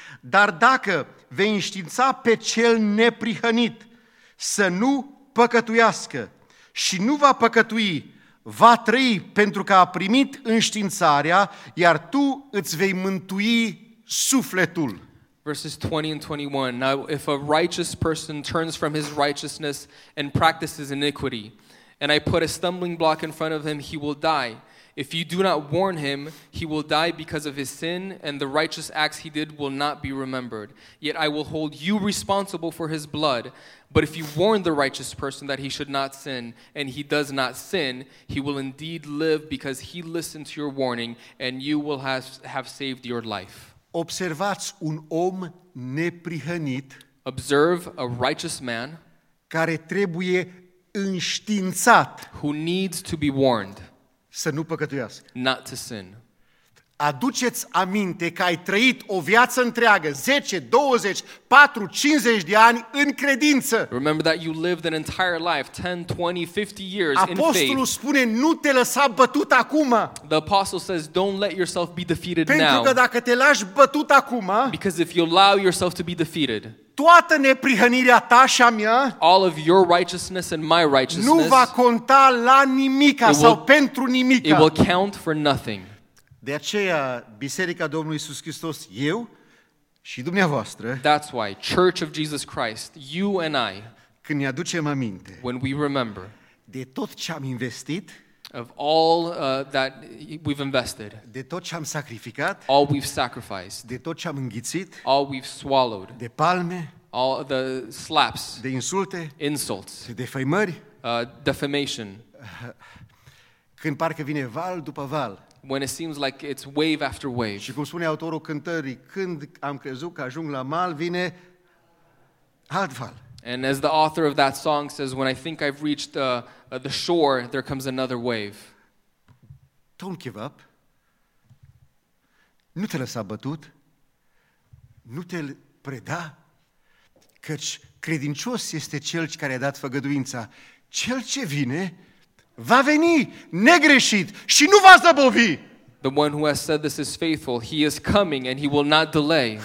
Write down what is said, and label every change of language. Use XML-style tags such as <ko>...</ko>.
<ro>Dar dacă vei înștiința pe cel neprihănit să nu păcătuiască și nu va păcătui, va trăi pentru că a primit înștiințarea, iar tu îți vei mântui sufletul.</ro> <en>Verses 20 and 21. Now, if a righteous person turns from his righteousness and practices iniquity, and I put a stumbling block in front of him, he will die. If you do not warn him, he will die because of his sin, and the righteous acts he did will not be remembered. Yet I will hold you responsible for his blood. But if you warn the righteous person that he should not sin, and he does not sin, he will indeed live because he listened to your warning, and you will have saved your life.</en> <ro>Observați un om neprihănit.</ro> <en>Observe a righteous man.</en> <ro>Care trebuie înștiințat.</ro> <en>Who needs to be warned.</en> <ro>Să nu păcătuiască.</ro> <en>Not to sin.</en> <ro>Aduceți aminte că ai trăit o viață întreagă, 10, 20, 4, 50 de ani în credință.</ro> <en>Remember that you lived an entire life, 10, 20, 50 years in faith.</en> <ro>Apostolul spune, nu te lăsa bătut acum.</ro> <en>The apostle says, don't let yourself be defeated now.</en> <ro>Pentru că dacă te lași bătut acum,</ro> <en>because if you allow yourself to be defeated,</en> <ro>toată neprihănirea ta și a mea,</ro> <en>all of your righteousness and my righteousness,</en> <ro>nu va conta la nimica sau pentru nimica.</ro> <en>It will count for nothing.</en> <ro>De aceea, Biserica Domnului Iisus Hristos, eu și dumneavoastră,</ro> <en>that's why, Church of Jesus Christ, you and I,</en> <ro>când ne aducem aminte,</ro> <en>when we remember,</en> <ro>de tot ce am investit,</ro> <en>of all that we've invested,</en> <ro>de tot ce am sacrificat,</ro> <en>all we've sacrificed,</en> <ro>de tot ce am înghițit,</ro> <en>all we've swallowed,</en> <ro>de palme,</ro> <en>all the slaps,</en> <ro>de insulte,</ro> <en>insults,</en> <ro>de defăimări,</ro> <en>defamation,</en> <ro>când parcă vine val după val,</ro> <en>when it seems like it's wave after wave.</en> <ro>Și cum spune autorul cântării, când am crezut că ajung la mal, vine alt val.</ro> <en>And as the author of that song says, when I think I've reached the shore, there comes another wave. Don't give up.</en> <ro>Nu te lăsa bătut. Nu te preda. Căci credincios este cel care a dat făgăduința. Cel ce vine va veni negreșit și nu va zăbovi.</ro> <en>The one who has said this is faithful. He is coming and he will not delay.</en>